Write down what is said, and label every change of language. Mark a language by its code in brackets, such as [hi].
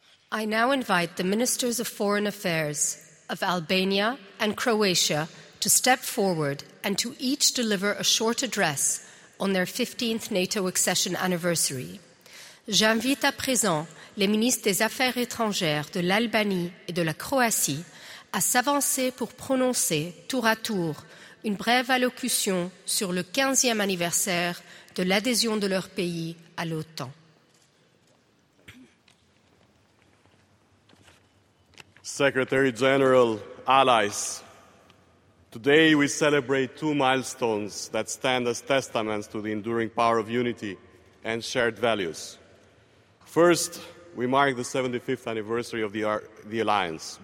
[en] I now invite the Ministers of Foreign Affairs of Albania and Croatia to step forward and to each deliver a short address on their 15th NATO accession anniversary. [fr] J'invite à présent les ministres des Affaires étrangères de l'Albanie et de la Croatie à s'avancer pour prononcer tour à tour une brève allocution sur le 15e anniversaire de l'adhésion de leur pays à l'OTAN. [en] Secretary General, allies, today we celebrate two milestones that stand as testaments to the enduring power of unity and shared values. First, we mark the 75th anniversary of the alliance.